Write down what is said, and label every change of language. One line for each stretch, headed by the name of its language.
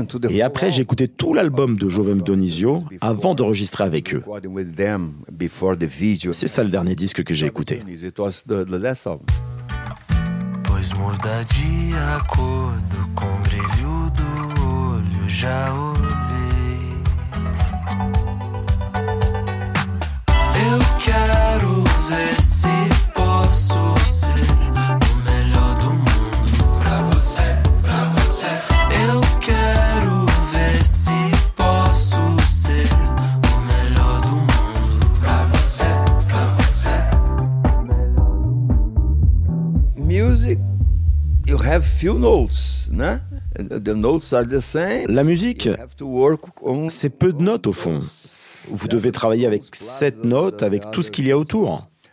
French: Et après, j'ai écouté tout l'album de Jovem Dionísio avant d'enregistrer avec eux. C'est ça le dernier disque que j'ai écouté.
Portuguese: Pois muda de acordo com o brilho do olho, já olhei. Quero ver se posso ser o melhor do mundo pra você, pra você. Eu quero ver se posso ser o melhor do mundo pra você, pra você.
English: Music, you have few notes, né? The notes are the same.
French: La musique, c'est peu de notes au fond. Vous devez travailler avec sept notes, avec tout ce qu'il y a autour.